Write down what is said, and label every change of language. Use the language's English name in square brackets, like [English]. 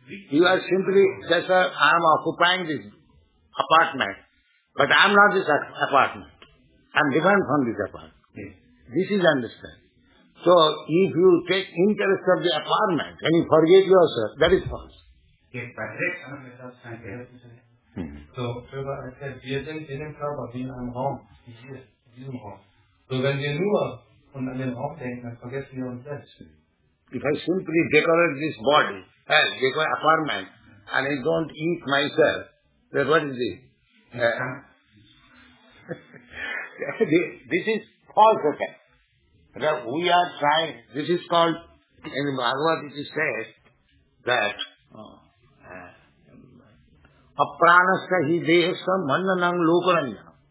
[English] You are simply, that's why I am occupying this apartment. But I am not this apartment. I am different from this apartment. Yes. This is understood. So if you take interest of the apartment and you forget yourself, that is false. Yes, but that's not myself trying to help you. [German] So, Schöber erklärt, wir sind in dem Körper wie in einem Raum, wie hier, in diesem Raum. So, wenn wir nur an den Raum denken, dann vergessen wir uns selbst. [English] If I simply decorate this body, decorate apartment, and I don't eat myself, then what is this? This is false, okay? That we are trying, this is called, in Bhagavad Gita it is said, that, apranasya hi desa mannanang lokaranya.